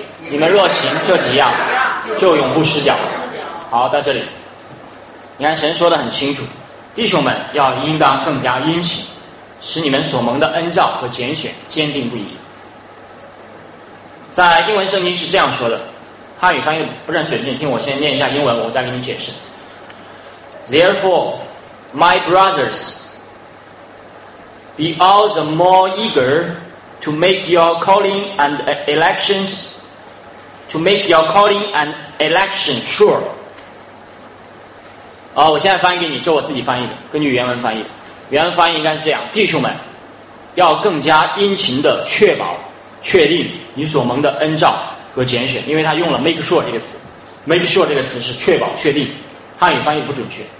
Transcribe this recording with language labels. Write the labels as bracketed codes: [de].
[zh] 你们若行这几样，就永不失脚。好，到这里，你看神说得很清楚，弟兄们要应当更加殷勤，使你们所蒙的恩召和拣选坚定不移。在英文圣经是这样说的，汉语翻译不是很准确，听我先念一下英文，我再给你解释。 [en] Therefore, my brothers, be all the more eager to make your calling and elections, to make your calling and election sure. [zh] 好，我现在翻译给你，这我自己翻译的，根据原文翻译的。原文翻译应该是这样，弟兄们要更加殷勤地确保确定你所蒙的恩召和拣选，因为他用了 make sure 这个词， make sure 这个词是确保确定，汉语翻译不准确。